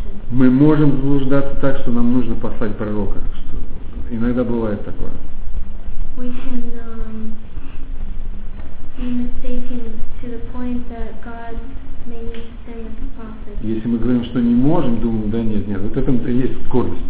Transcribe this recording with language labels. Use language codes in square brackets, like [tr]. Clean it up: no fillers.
[ru] Мы можем заблуждаться так, что нам нужно послать пророка. Что иногда бывает такое. [en] We can be mistaken to the point that God may need to send us a prophet. [ru] Если мы говорим, что не можем, думаем, да нет, нет, вот это есть скорость.